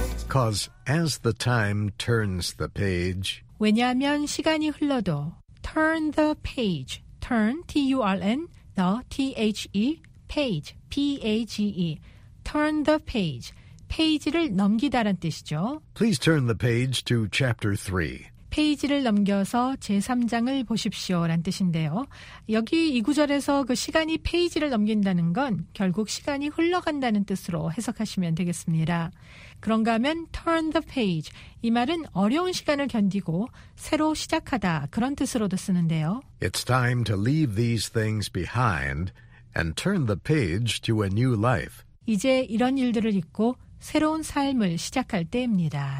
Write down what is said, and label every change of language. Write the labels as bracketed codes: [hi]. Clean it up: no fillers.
[en] Cause as the time turns the page, [ko] 왜냐하면 시간이 흘러도 [en] turn the page, turn, T-U-R-N, The, T-H-E, page, P-A-G-E, turn the page, [ko] 페이지를 넘기다란 뜻이죠. [en] Please turn the page to chapter 3. [ko] 페이지를 넘겨서 제3장을 보십시오란 뜻인데요. 여기 이 구절에서 그 시간이 페이지를 넘긴다는 건 결국 시간이 흘러간다는 뜻으로 해석하시면 되겠습니다. 그런가 하면 [en] turn the page, [ko] 이 말은 어려운 시간을 견디고 새로 시작하다 그런 뜻으로도 쓰는데요. [en] It's time to leave these things behind and turn the page to a new life. [ko] 이제 이런 일들을 잊고 새로운 삶을 시작할 때입니다.